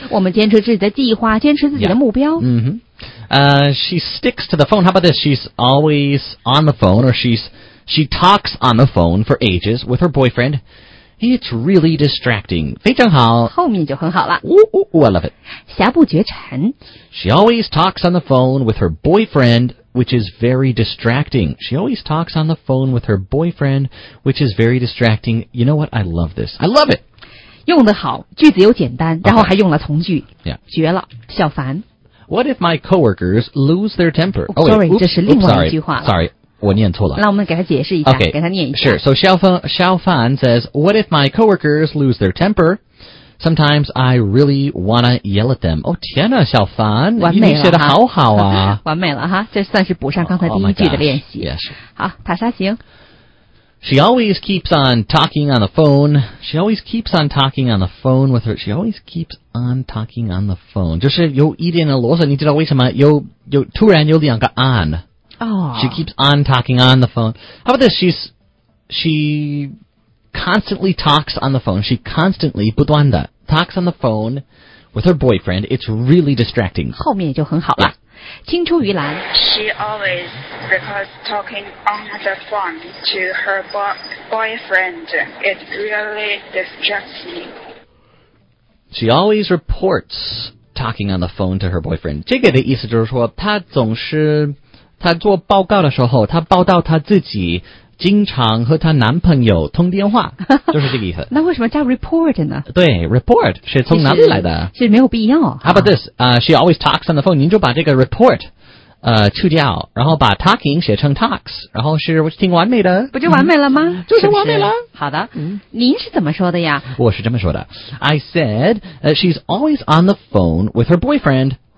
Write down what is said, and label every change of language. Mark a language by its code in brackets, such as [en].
[zh] 我们坚持自己的计划，坚持自己的目标。 [en] Yeah. She sticks to the phone. How about this? She's always on the phone, or she talks on the phone for ages with her boyfriend. It's really distracting. [zh] 非常好。后面就很好了。 [en] Ooh, I love it. [zh] 瑕不绝尘。 [en] She always talks on the phone with her boyfriend, which is very distracting. She always talks on the phone with her boyfriend, which is very distracting. You know what? I love this. I love it. [zh] 用得好，句子又简单，然后还用了从句。 [en] Okay. Yeah. [zh] 绝了，小凡。 [en] What if my coworkers lose their temper? Oh, sorry, oops, [zh] 这是另外一句话了。 [en] Sorry, [zh] 我念错了。那我们给他解释一下， [en] okay, [zh] 给他念一下。 [en] Sure, so Xiaofan says, What if my coworkers lose their temper? Sometimes I really want to yell at them. Oh, [zh] 天哪，小凡，你写得好好啊。完美了哈，这算是补上刚才第一句的练习。 [en] Oh, yes. [zh] 好，塔莎行。 [en] She always keeps on talking on the phone. She always keeps on talking on the phone with her. She always keeps on talking on the phone. [zh] 就是有一点的啰嗦，你知道为什么？有突然有两个 on. [en] Oh. She keeps on talking on the phone. How about this? She constantly talks on the phone. She constantly, [zh] 不断的, [en] talks on the phone with her boyfriend. It's really distracting. [zh] 后面就很好了。 [en] Yeah. [zh] 青出于蓝 [en] She always because talking on the phone to her boyfriend it really distracts me. She always reports talking on the phone to her boyfriend. [zh] 这个的意思就是说她总是她做报告的时候她报到她自己经常和她男朋友通电话就是这个意思。那为什么叫 report 呢对 report 是从哪里来的是没有必要。 [en] How about this? She always talks on the phone. [zh] 您就把这个 report, 去掉然后把 talking 写成 talks, 然后是挺完美的。不就完美了吗、嗯、就是完美了。是是好的、嗯、您是怎么说的呀我是这么说的。 [en] I said,she's always on the phone with her boyfriend.